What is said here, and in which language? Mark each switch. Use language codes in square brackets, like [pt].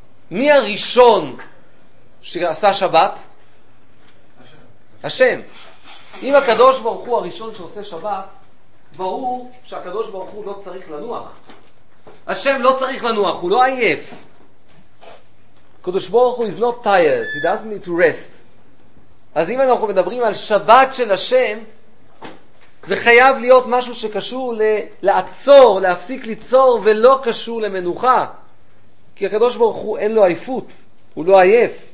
[he] מי הראשון שעשה שבת? השם. אם הקדוש ברוך הוא הראשון שעושה שבת, ברור שהקדוש ברוך הוא לא צריך לנוח. השם לא צריך לנוח, הוא לא עייף. [en] הקדוש ברוך הוא is not tired, he doesn't need to rest. [he] אז אם אנחנו מדברים על שבת של השם, זה חייב להיות משהו שקשור לעצור, להפסיק ליצור, ולא קשור למנוחה. כי הקדוש ברוך הוא אין לו עייפות, הוא לא עייף.